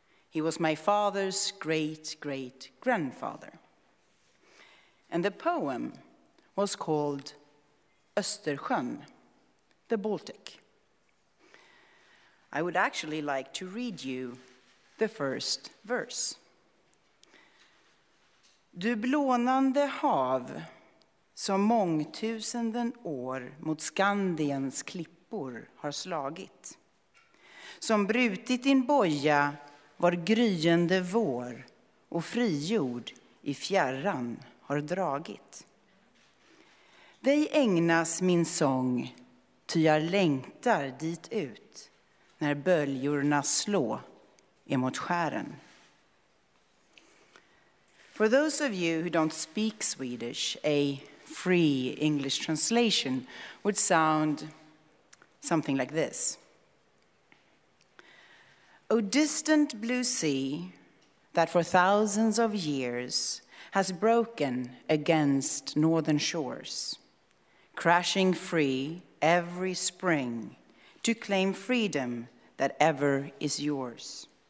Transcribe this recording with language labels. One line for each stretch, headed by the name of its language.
English: He was my father's great-great-grandfather. And the poem was called Östersjön, the Baltic. I would actually like to read you the first verse.
Swedish: Du blånande hav, som mångtusenden år mot Skandiens klippor har slagit, som brutit din boja var gryende vår och frigjord i fjärran har dragit. Dig ägnas min sång, ty jag längtar dit ut när böljorna slå emot skären.
English: For those of you who don't speak Swedish, a free English translation would sound something like this. O distant blue sea that for thousands of years has broken against northern shores, crashing free every spring to claim freedom that ever is yours.